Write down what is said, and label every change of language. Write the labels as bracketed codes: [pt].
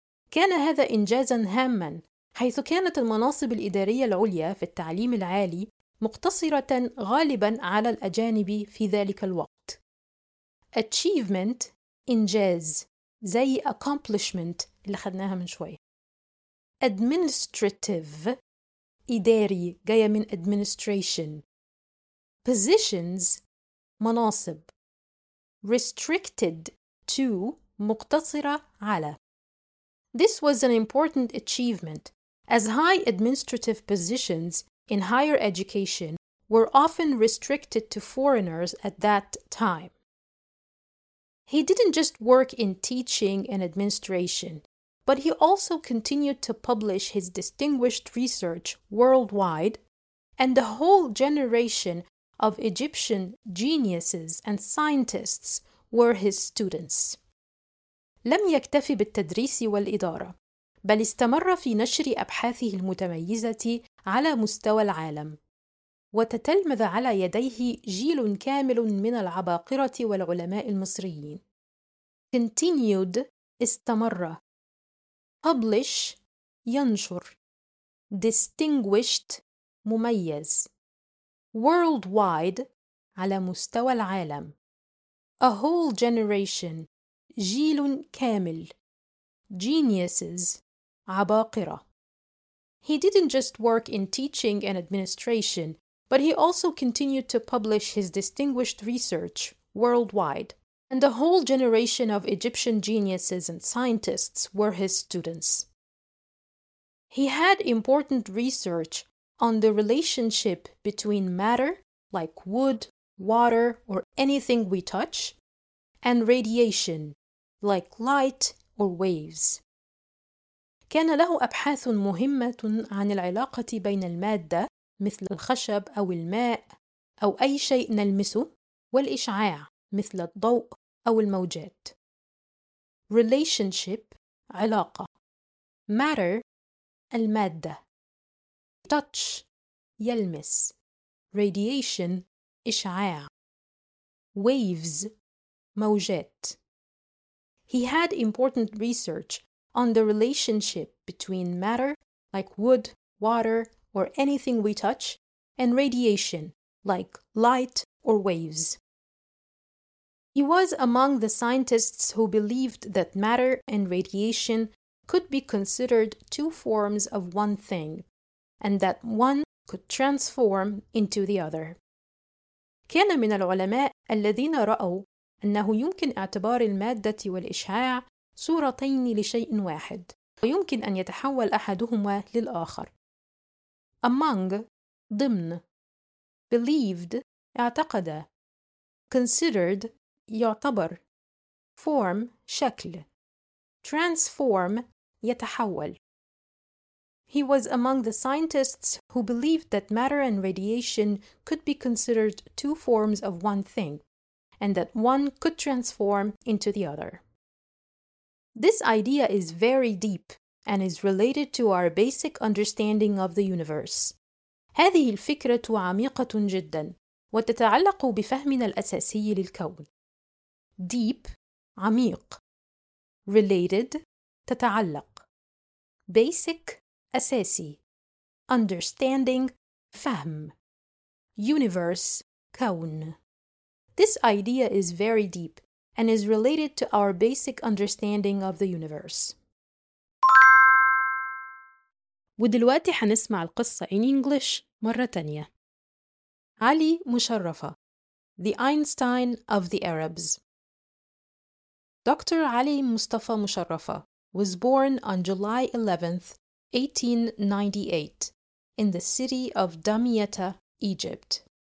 [ar] كان هذا إنجازاً هاماً، حيث كانت المناصب الإدارية العليا في التعليم العالي مقتصرة غالباً على الأجانب في ذلك الوقت. Achievement إنجاز زي accomplishment اللي خدناها من شوي. Administrative إداري جاية من administration. Positions مناصب. Restricted to مقتصرة على. [en] This was an important achievement as high administrative positions in higher education were often restricted to foreigners at that time. He didn't just work in teaching and administration, but he also continued to publish his distinguished research worldwide, and a whole generation of Egyptian geniuses and scientists were his students. [ar] لم يكتفي بالتدريس والإدارة، بل استمر في نشر أبحاثه المتميزة على مستوى العالم، وتتلمذ على يديه جيل كامل من العباقرة والعلماء المصريين. Continued استمر. Publish ينشر. Distinguished مميز. Worldwide على مستوى العالم. [en] A whole generation جيل كامل. [ar] Geniuses عباقرة. [en] He didn't just work in teaching and administration, but he also continued to publish his distinguished research worldwide. And a whole generation of Egyptian geniuses and scientists were his students. He had important research on the relationship between matter, like wood, water, or anything we touch, and radiation, like light or waves. [ar] كان له أبحاث مهمة عن العلاقة بين المادة مثل الخشب أو الماء أو أي شيء نلمسه والإشعاع مثل الضوء أو الموجات. Relationship علاقة. Matter المادة. Touch يلمس. Radiation إشعاع. Waves موجات. [en] He had important research on the relationship between matter, like wood, water, or anything we touch, and radiation, like light or waves. He was among the scientists who believed that matter and radiation could be considered two forms of one thing, and that one could transform into the other. [ar] كان من العلماء الذين رأوا أنه يمكن اعتبار المادة والإشعاع صورتين لشيء واحد، ويمكن أن يتحول أحدهما للآخر. Among ضمن. Believed اعتقد. Considered يعتبر. Form شكل. Transform يتحول. [en] He was among the scientists who believed that matter and radiation could be considered two forms of one thing, and that one could transform into the other. This idea is very deep, and is related to our basic understanding of the universe. [ar] هذه الفكرة عميقة جدا وتتعلق بفهمنا الأساسي للكون. Deep عميق. Related تتعلق. Basic أساسي. Understanding فهم. Universe كون. [en] This idea is very deep and is related to our basic understanding of the universe. [ar] ودلوقتي حنسمع القصة [en] in English [ar] مرة تانية. [en] علي مشرفة, the Einstein of the Arabs. Dr. Ali Mustafa Musharrafa was born on July 11, 1898, in the city of Damietta, Egypt.